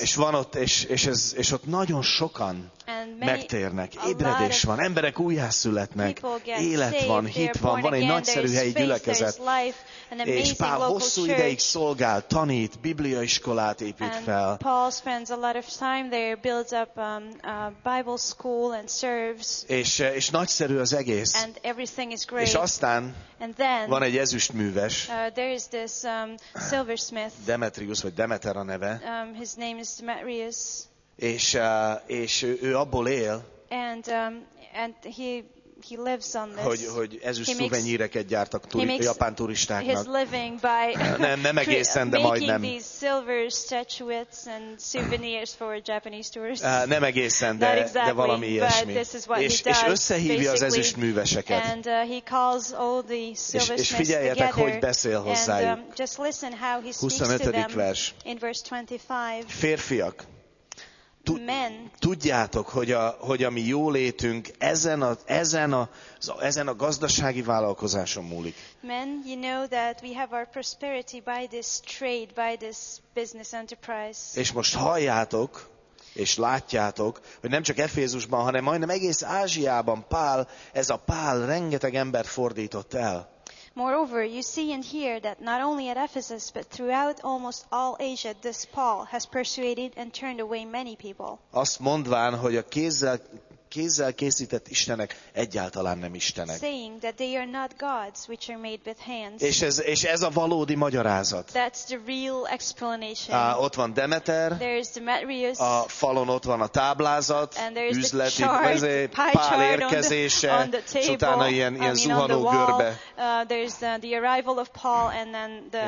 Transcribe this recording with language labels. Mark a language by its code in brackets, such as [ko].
[hu] És van ott, és ott nagyon sokan megtérnek. Ébredés van, emberek újjászületnek, élet van, hit van, van egy nagyszerű helyi gyülekezet. És Pál hosszú ideig szolgál, tanít, bibliaiskolát épít fel. [en] Paul spends a lot of time there, builds up a Bible school and serves. [hu] És nagyszerű az egész. [en] And everything is great. [hu] És aztán van egy ezüstműves. [en] There is this silversmith. [hu] Demetrius vagy Demeter a neve. [en] His name is Demetrius. [hu] És ő abból él. [en] And he lives on this. [hu] Hogy ezüst szuvenyíreket gyártak japán turistáknak. [en] His living by [hu] nem egészen, de majdnem. [en] Making these silver statuettes and souvenirs for Japanese tourists. [hu] Nem egészen, de valami ilyesmi. És összehívja az ezüst műveseket. [en] And he calls all the silversmiths together. [hu] És figyeljetek, hogy beszél hozzájuk. [en] And just listen how he speaks to them. [hu] 25. vers. [en] In verse 25. [hu] Férfiak. [en] Men. [hu] Tudjátok, hogy a mi jólétünk ezen a gazdasági vállalkozáson múlik. [en] Men, you know that we have our prosperity by this trade, by this business enterprise. [hu] És most halljátok és látjátok, hogy nem csak Efézusban, hanem majdnem egész Ázsiában ez a Pál rengeteg embert fordított el. [en] Moreover, you see and hear that not only at Ephesus, but throughout almost all Asia, this Paul has persuaded and turned away many people. [hu] Azt mondván, hogy a kézzel készített istenek egyáltalán nem istenek. [en] Saying that they are not gods which are made with hands. [hu] És ez a valódi magyarázat. [en] That's the real explanation. [hu] Ott van Demeter. [en] There is Demetrius. [hu] A falon ott van a táblázat. [en] And there is [hu] üzleti Pál érkezése. És utána ilyen zuhanó görbe. [en] There's the arrival of Paul and then the